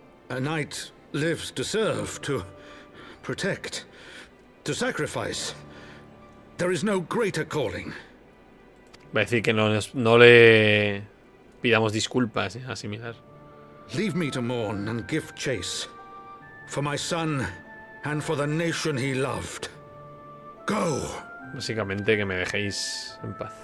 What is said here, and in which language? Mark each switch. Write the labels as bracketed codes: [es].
[en] A knight lives to serve, to protect, to sacrifice. There is no greater calling. [es] Va a decir que no le pidamos disculpas, ¿eh? Asimilar. [en] Leave me to mourn and give chase for my son and for the nation he loved. Go. [es] Básicamente que me dejéis en paz.